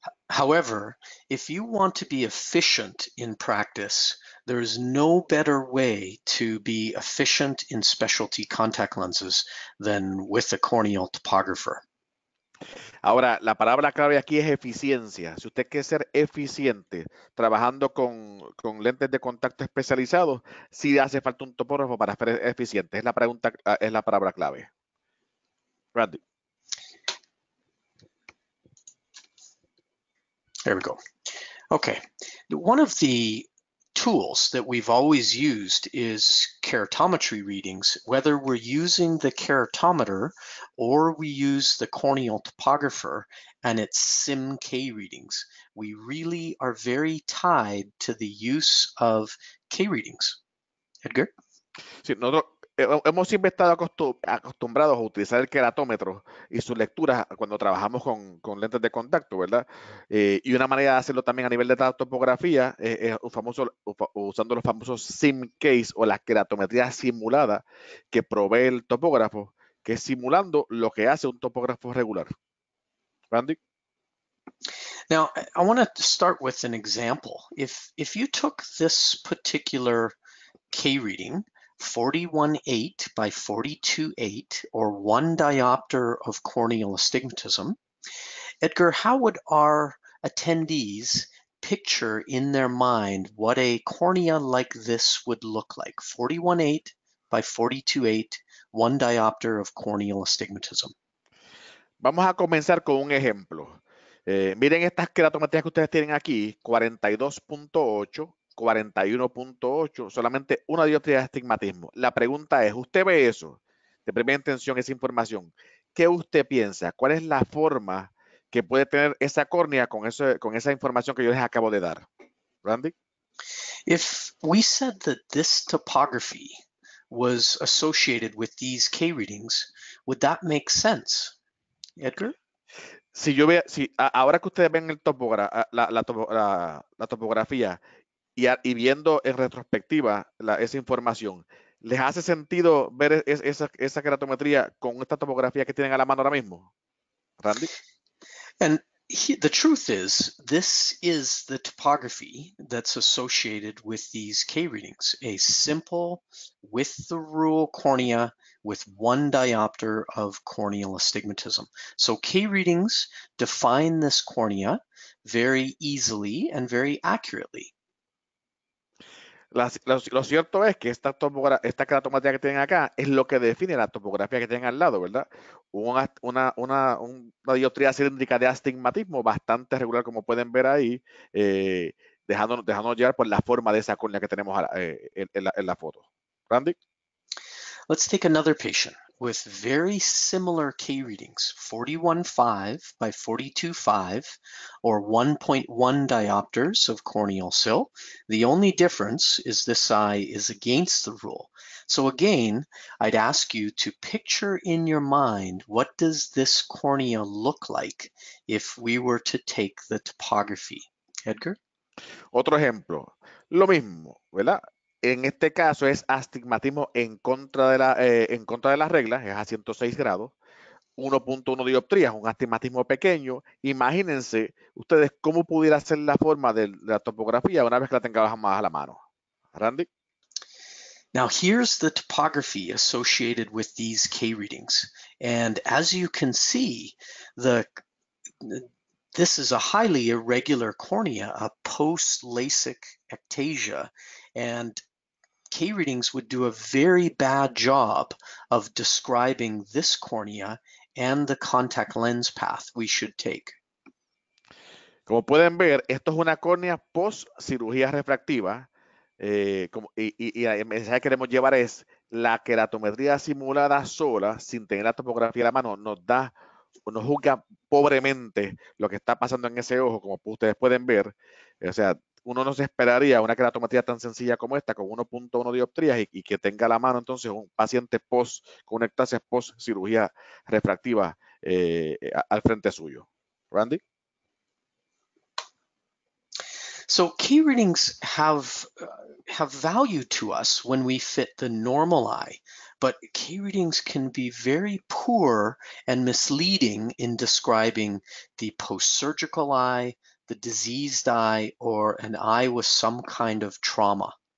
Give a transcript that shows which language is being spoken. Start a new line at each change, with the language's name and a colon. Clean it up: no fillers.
English: However, if you want to be efficient in practice, there is no better way to be efficient in specialty contact lenses than with a corneal topographer.
Spanish: Ahora, la palabra clave aquí es eficiencia. Si usted quiere ser eficiente trabajando con lentes de contacto especializados, sí hace falta un topógrafo para ser eficiente. Es la palabra clave. Randy.
English: There we go. Okay. One of the tools that we've always used is keratometry readings. Whether we're using the keratometer or we use the corneal topographer and its SIM-K readings, we really are very tied to the use of K readings. Edgar?
Spanish: Sí, nosotros hemos siempre estado acostumbrados a utilizar el queratómetro y sus lecturas cuando trabajamos con lentes de contacto, ¿verdad? Y una manera de hacerlo también a nivel de la topografía es usando los famosos SIMKs o la queratometría simulada que provee el topógrafo, que es simulando lo que hace un topógrafo regular. Randy.
English: Now, I want to start with an example. If you took this particular K reading, 41.8 by 42.8, or one diopter of corneal astigmatism. Edgar, how would our attendees picture in their mind what a cornea like this would look like? 41.8 by 42.8, one diopter of corneal astigmatism.
Spanish: Vamos a comenzar con un ejemplo. Miren estas queratometrías que ustedes tienen aquí, 42.8. 41.8, solamente una dioptría de astigmatismo. La pregunta es, ¿usted ve eso? De primera intención, esa información. ¿Qué usted piensa? ¿Cuál es la forma que puede tener esa córnea con esa información que yo les acabo de dar? Randy?
English: If we said that this topography was associated with these K readings, would that make sense? Edgar?
Spanish: Si yo veo, si, ahora que ustedes ven el la topografía, y viendo en retrospectiva esa información, ¿les hace sentido ver esa queratometría con esta topografía que tienen a la mano ahora mismo? Randy?
English: And the truth is, this is the topography that's associated with these K readings. A simple, with the rule cornea, with one diopter of corneal astigmatism. So K readings define this cornea very easily and very accurately.
Spanish: Lo cierto es que esta queratomatía que tienen acá es lo que define la topografía que tienen al lado, ¿verdad? Una dioptría cilíndrica de astigmatismo bastante regular, como pueden ver ahí, dejándonos llevar por la forma de esa córnea que tenemos en la foto. Randy?
English: Let's take another patient with very similar K readings, 41.5 by 42.5, or 1.1 diopters of corneal sill. The only difference is this eye is against the rule. So again, I'd ask you to picture in your mind, what does this cornea look like if we were to take the topography? Edgar?
Spanish: Otro ejemplo, lo mismo, ¿verdad? En este caso es astigmatismo en contra de la regla, es a 106 grados. 1.1 dioptrías, un astigmatismo pequeño. Imagínense ustedes cómo pudiera ser la forma de la topografía una vez que la tengamos más a la mano. Randy.
English: Now here's the topography associated with these K readings. And as you can see, this is a highly irregular cornea, a post-LASIK ectasia, and K readings would do a very bad job of describing this cornea and the contact lens path we should take.
Spanish: Como pueden ver, esto es una córnea post cirugía refractiva. Y el mensaje que queremos llevar es la queratometría simulada sola, sin tener la topografía a la mano, nos juzga pobremente lo que está pasando en ese ojo, como ustedes pueden ver. O sea, uno no se esperaría una queratometría tan sencilla como esta, con 1.1 dioptrías y que tenga a la mano entonces un paciente post con una ectasia post cirugía refractiva al frente suyo. Randy.
English: So key readings have value to us when we fit the normal eye, but key readings can be very poor and misleading in describing the post-surgical eye, the diseased eye, or an eye with some kind of trauma.